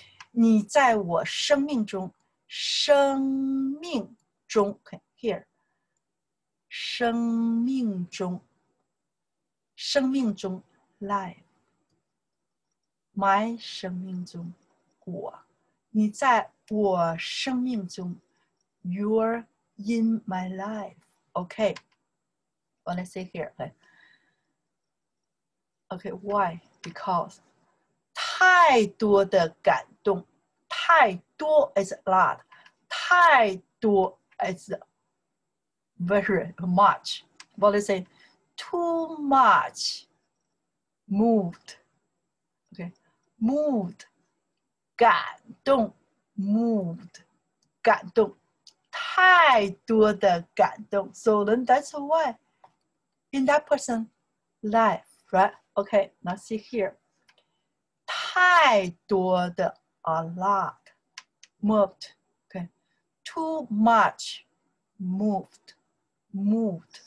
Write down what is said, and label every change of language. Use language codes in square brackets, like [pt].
[zh] 你在我生命中, 生命中, [en] okay, here. [zh] 生命中, 生命中, [en] life. My [zh] 生命中, 我. 你在我生命中, [en] you're in my life. Okay. What I say here, okay. Okay, why? Because [zh] 太多的感动, 太多 [en] is a lot, 太多 is very much. What they say, too much moved. Okay, moved, [zh] 感动, moved, 感动, 太多的感动. [en] So then that's why in that person's life, right? Okay, now see here. [zh] 太多的, [en] a lot, moved. Okay, too much, moved, moved.